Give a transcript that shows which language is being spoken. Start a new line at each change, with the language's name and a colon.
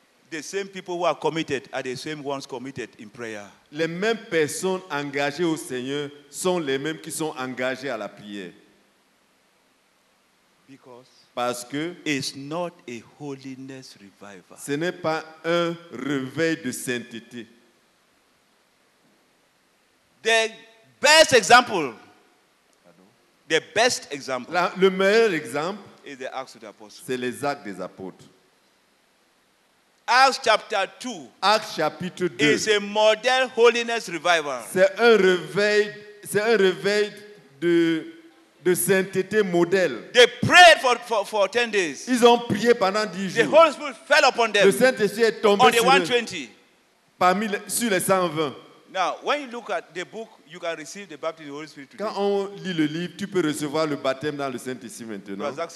English: The same people who are committed are the same ones committed in prayer.
French: Les mêmes personnes engagées au Seigneur sont les mêmes qui sont engagées à la prière.
English: Because it's not a holiness revival.
French: Ce n'est pas un réveil de sainteté.
English: The best example.
French: Le meilleur exemple.
English: Is the Acts of the Apostles.
French: C'est les Actes des Apôtres.
English: Acts chapter 2.
French: Acts chapitre 2.
English: Is a model holiness revival.
French: C'est un réveil de sainteté modèle.
English: They prayed for 10 days.
French: Ils ont prié pendant 10 jours.
English: The Holy Spirit fell upon them.
French: Le Saint-Esprit est tombé
English: on the 120.
French: Sur les 120.
English: Now, when you look at the book, you can receive the baptism of the Holy Spirit today.
French: Quand on lit le livre, tu peux recevoir le baptême dans le Saint-Esprit maintenant.